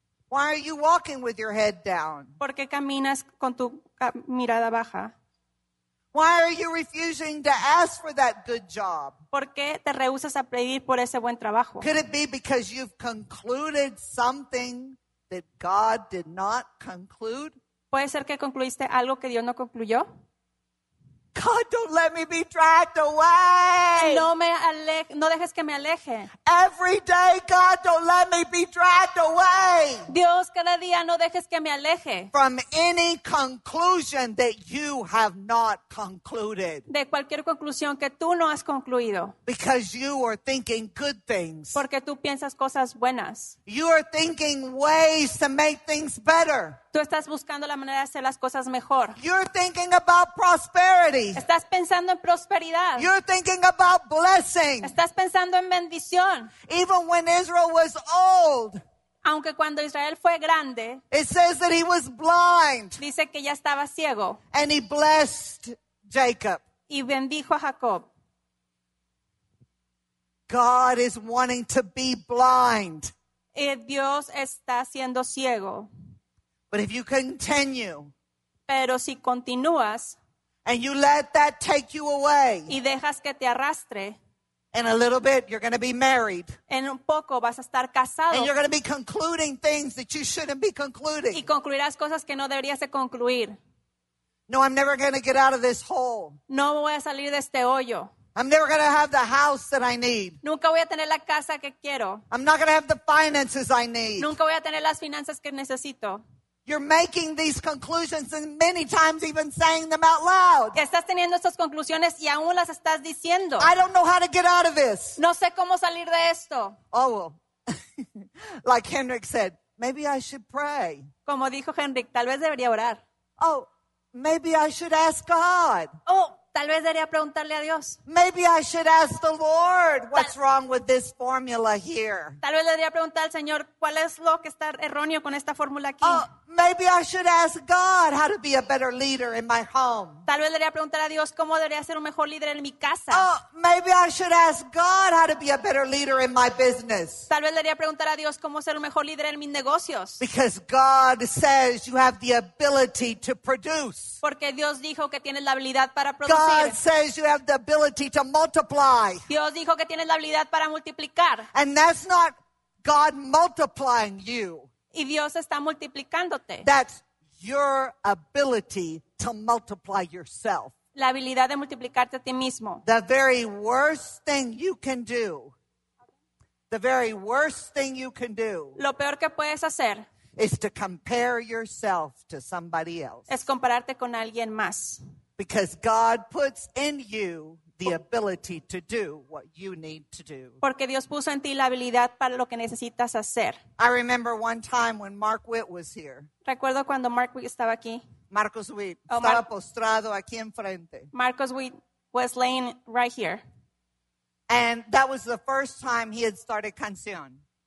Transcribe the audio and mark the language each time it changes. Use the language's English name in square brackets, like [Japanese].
[English] Why are you walking with your head down? [Spanish] ¿Por qué caminas con tu mirada baja? [English] Why are you refusing to ask for that good job? [Spanish] ¿Por qué te rehúsas a pedir por ese buen trabajo? [English] Could it be because you've concluded something that God did not conclude? [Spanish] ¿Puede ser que concluiste algo que Dios no concluyó? [English] God, don't let me be dragged away. [Spanish] No dejes que me aleje. [English] Every day, God, don't let me be dragged away. [Spanish] Dios, cada día no dejes que me aleje. [English] From any conclusion that you have not concluded. [Spanish] De cualquier conclusión que tú no has concluido. [English] Because you are thinking good things. [Spanish] Porque tú piensas cosas buenas. [English] You are thinking ways to make things better. [Spanish] Tú estás buscando la manera de hacer las cosas mejor. [English] You're thinking about prosperity. [Spanish] Estás pensando en prosperidad. [English] You're thinking about blessing. [Spanish] Estás pensando en bendición. [English] Even when Israel was old. [Spanish] Aunque cuando Israel fue grande. [English] It says that he was blind. [Spanish] Dice que ya estaba ciego. [English] And he blessed Jacob. [Spanish] Y bendijo a Jacob. [English] God is wanting to be blind. [Spanish] Y Dios está siendo ciego. [English] But if you continue, [Spanish] pero si continúas, [English] and you let that take you away, [Spanish] y dejas que te arrastre, [English] in a little bit you're going to be married, [Spanish] en un poco vas a estar casado, [English] and you're going to be concluding things that you shouldn't be concluding, [Spanish] y concluirás cosas que no deberías de concluir. [English] No, I'm never going to get out of this hole. [Spanish] No voy a salir de este hoyo. [English] I'm never going to have the house that I need. [Spanish] Nunca voy a tener la casa que quiero. [English] I'm not going to have the finances I need. [Spanish] Nunca voy a tener las finanzas que necesito. [English] You're making these conclusions and many times even saying them out loud. [Spanish] Estás teniendo estas conclusiones y aún las estás diciendo. [English] I don't know how to get out of this. [Spanish] No sé cómo salir de esto. [English] Oh, well. Like Henrik said, maybe I should pray. [Spanish] Como dijo Henrik, tal vez debería orar. [English] Oh, maybe I should ask God. [Spanish] Oh, tal vez debería preguntarle a Dios. [English] Maybe I should ask the Lord what's wrong with this formula here. [Spanish] Tal vez debería preguntar al Señor cuál es lo que está erróneo con esta fórmula aquí. [English] Oh, maybe I should ask God how to be a better leader in my home. [Spanish] Tal vez debería preguntar a Dios cómo debería ser un mejor líder en mi casa. [English] Oh, maybe I should ask God how to be a better leader in my business. [Spanish] Tal vez debería preguntar a Dios cómo ser un mejor líder en mis negocios. [English] Because God says you have the ability to produce. [Spanish] Porque Dios dijo que tienes la habilidad para producir. [English] God says you have the ability to multiply. [Spanish] Dios dijo que tienes la habilidad para multiplicar. [English] And that's not God multiplying you. [Spanish] Y Dios está multiplicándote. [English] That's your ability to multiply yourself. [Spanish] La habilidad de multiplicarte a ti mismo. [English] The very worst thing you can do. The very worst thing you can do. [Spanish] Lo peor que puedes hacer. [English] Is to compare yourself to somebody else. [Spanish] Es compararte con alguien más. [English] Because God puts in you the ability to do what you need to do. [Spanish] Porque Dios puso en ti la habilidad para lo que necesitas hacer. [English] I remember one time when Mark Witt was here. [Spanish] Recuerdo cuando Mark Witt estaba aquí. Marcos Witt estaba postrado aquí enfrente. [English] Marcos Witt was laying right here. And that was the first time he had started Canción.